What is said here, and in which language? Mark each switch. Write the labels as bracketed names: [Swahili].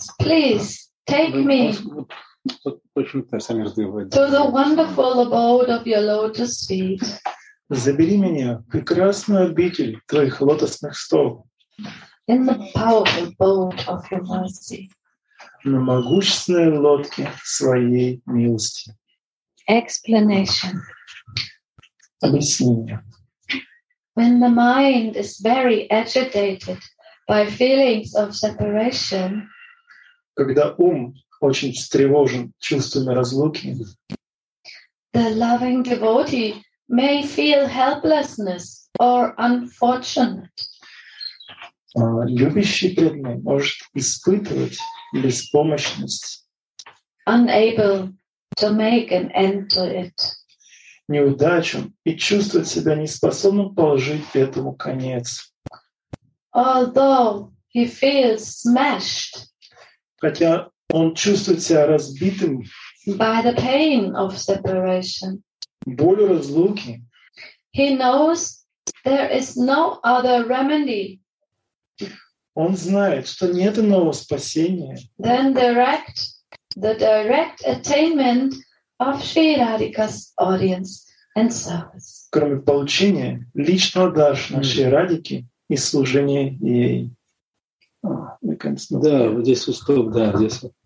[English] Please take me to the wonderful abode of your lotus feet. [Russian] Забери меня в прекрасную обитель твоих лотосных стоп. [English] In the powerful boat of your mercy. [Russian] На могущественной лодке своей милости. [English] Explanation. [Russian] Объяснение. [English] When the mind is very agitated by feelings of separation. [Russian] Когда ум очень встревожен чувствами разлуки. [English] The loving devotee may feel helplessness or unfortunate. [Russian] Любящий преданный может испытывать беспомощность. [English] Unable to make an end to it. [Russian] Неудачу и чувствовать себя неспособным положить этому конец. [English] Although he feels smashed. [Russian] Хотя он чувствует себя разбитым. [English] By the pain of separation. [Russian] Боль разлуки. [English] He knows there is no other remedy. [Russian] Он знает, что нет иного спасения. [English] Than the direct attainment of Sri Radhika's audience and service. [Russian] Кроме получения личного дарша Шри Радхики и служения ей. Да, вот здесь уступ, да, здесь.